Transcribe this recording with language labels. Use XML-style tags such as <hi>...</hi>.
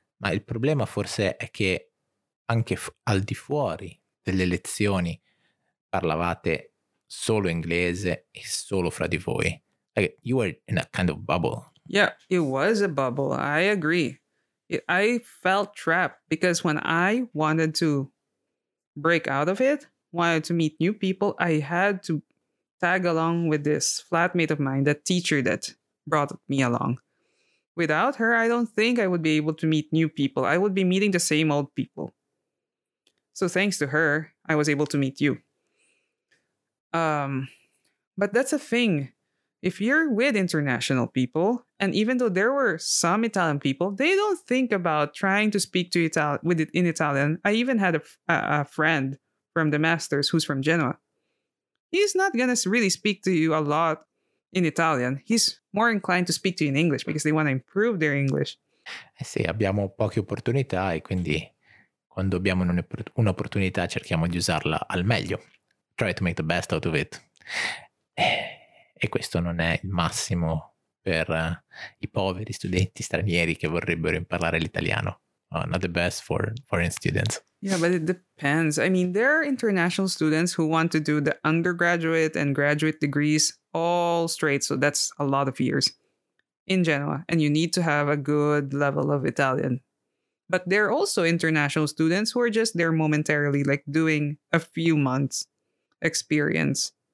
<it>Ma il problema forse è che anche al di fuori delle lezioni parlavate solo inglese e solo fra di voi.</it> <en>Like, you were in a kind of bubble. Yeah, it was a bubble. I agree. I felt trapped because when I wanted to break out of it, wanted to meet new people, I had to tag along with this flatmate of mine, that teacher that brought me along. Without her, I don't think I would be able to meet new people. I would be meeting the same old people. So thanks to her, I was able to meet you. But that's a thing. If you're with international people, and even though there were some Italian people, they don't think about trying to speak to in Italian. I even had a friend from the masters who's from Genoa. He's not going to really speak to you a lot in Italian. He's more inclined to speak to you in English because they want to improve their English.</en> <it>Sì, abbiamo poche opportunità e quindi quando abbiamo un'opportunità cerchiamo di usarla al meglio.</it> <en>Try to make the best out of it.</en> <it>E questo non è il massimo per i poveri studenti stranieri che vorrebbero imparare l'italiano.</it> <en>Not the best for foreign students. Yeah, but it depends. I mean, there are international students who want to do the undergraduate and graduate degrees all straight. So that's a lot of years in Genoa. And you need to have a good level of Italian. But there are also international students who are just there momentarily, like doing a few months experience.</en>